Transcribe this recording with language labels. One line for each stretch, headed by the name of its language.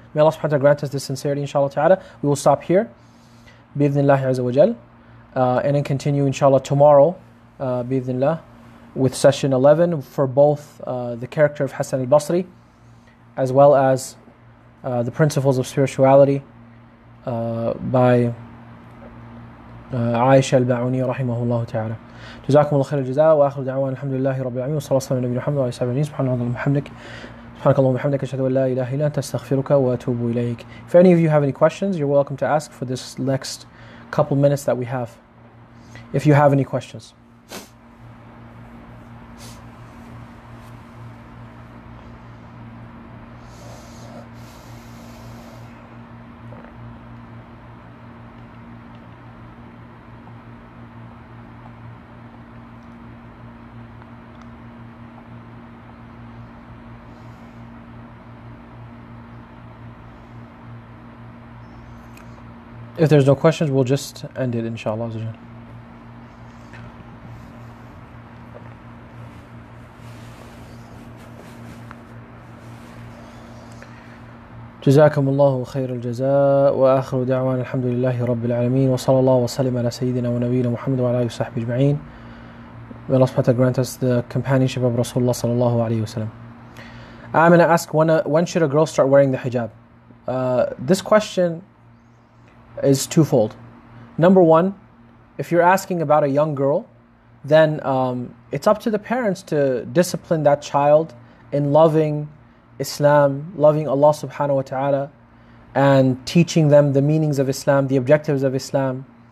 English: May Allah subhanahu wa ta'ala grant us this sincerity, inshallah ta'ala. We will stop here, bi-idhnillahi azza wa jal, and then continue, inshallah, tomorrow, bi-idhnillah, with session 11 for both the character of Hassan al-Basri, as well as the principles of spirituality by Aisha al-Ba'uni, rahimahullah ta'ala.
Arabic: جزاكم الله خير الجزاء وآخر دعوانا الحمد لله رب العالمين وصلى الله على نبينا محمد وعلى آله وصحبه سبحان الله وبحمدك سبحانك اللهم وبحمدك أشهد أن لا إله إلا أنت أستغفرك وأتوب إليك.
English: If any of you have any questions, you're welcome to ask for this next couple minutes that we have. If you have any questions. If there's no questions, we'll just end it, inshallah.
Arabic: جزاكم الله خير الجزاء وآخر دعوان الحمد لله رب العالمين وصلى الله وسلم على سيدنا ونبينا محمد وعلى آله وصحبه أجمعين.
English: May Allah subhanahu wa ta'ala grant us the companionship of Rasulullah sallallahu alayhi wasallam. I'm going to ask, when should a girl start wearing the hijab? This question is twofold. Number one, if you're asking about a young girl, then it's up to the parents to discipline that child in loving Islam, loving Allah subhanahu wa ta'ala, and teaching them the meanings of Islam, the objectives of Islam,